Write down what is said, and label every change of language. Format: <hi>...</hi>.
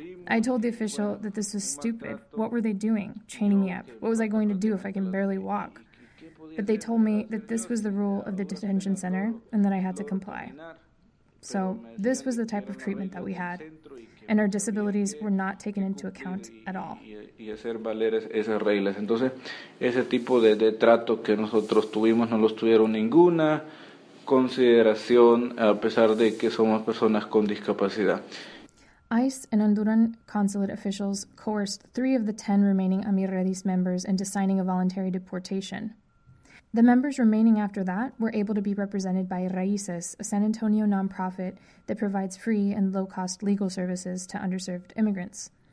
<en>I told the official that this was stupid. What were they doing, chaining me up? What was I going to do if I can barely walk? But they told me that this was the rule of the detention center and that I had to comply. So this was the type of treatment that we had, and our disabilities were not taken into account at all.</en> <es>Y hacer valer esas reglas. Entonces, ese tipo de trato que nosotros tuvimos no los tuvieron ninguna consideración, a pesar de que somos personas con discapacidad.</es> <en>ICE and Honduran consulate officials coerced 3 of the 10 remaining AmiRedis members into signing a voluntary deportation. The members remaining after that were able to be represented by Raices, a San Antonio nonprofit that provides free and low-cost legal services to underserved immigrants.</en>